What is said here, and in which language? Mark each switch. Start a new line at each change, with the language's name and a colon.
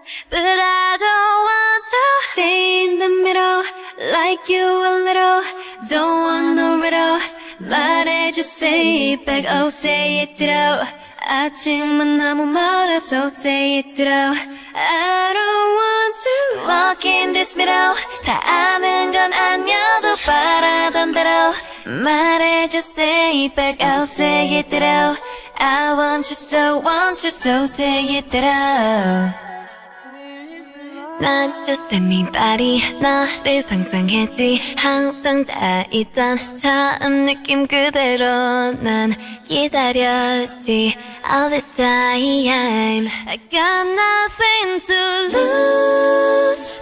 English: But I don't want to stay in the middle, like you a little. Don't want no riddle.
Korean: 말해줘,
English: say it back, oh, say it through.
Korean: 아침은 너무 멀어서,
English: say it through. I don't want to walk in this middle.
Korean: 다 아는 건 아니어도 바라던 대로. 말해줘,
English: say it back, oh, say it through. I want you so, say it through.
Korean: 난
English: just anybody,
Korean: 너를 상상했지. 항상 다 있던 처음 느낌 그대로 난 기다렸지.
English: All this time, I got nothing to lose.